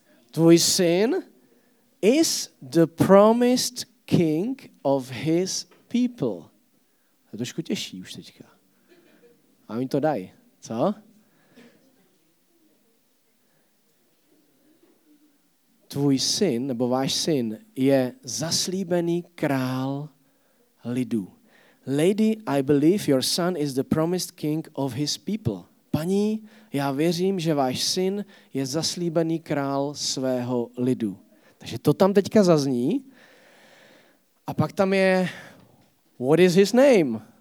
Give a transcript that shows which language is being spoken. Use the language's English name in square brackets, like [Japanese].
[Czech] Tvůj syn [English] is the promised king of his people. [Czech] To je trošku těžší už teďka. A mi to daj, co? Tvůj syn, nebo váš syn, je zaslíbený král lidu. [English] Lady, I believe your son is the promised king of his people. [Czech] Paní, já věřím, že váš syn je zaslíbený král svého lidu. Takže to tam teďka zazní. A pak tam je, [English] what is his name?